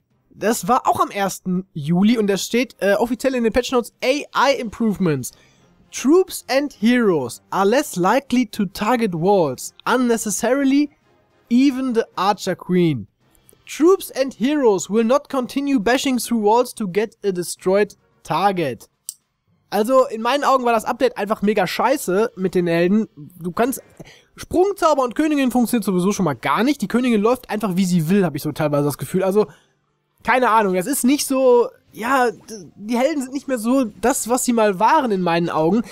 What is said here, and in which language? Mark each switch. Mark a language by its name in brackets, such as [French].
[German] Das war auch am 1. Juli und das steht offiziell in den Patch Notes: [English] AI Improvements. Troops and Heroes are less likely to target walls unnecessarily, even the Archer Queen. Troops and Heroes will not continue bashing through walls to get a destroyed target. [German] Also in meinen Augen war das Update einfach mega scheiße mit den Helden. Du kannst Sprungzauber und Königin funktioniert sowieso schon mal gar nicht. Die Königin läuft einfach wie sie will, habe ich so teilweise das Gefühl. Also keine Ahnung, es ist nicht so, ja, die Helden sind nicht mehr so das, was sie mal waren in meinen Augen.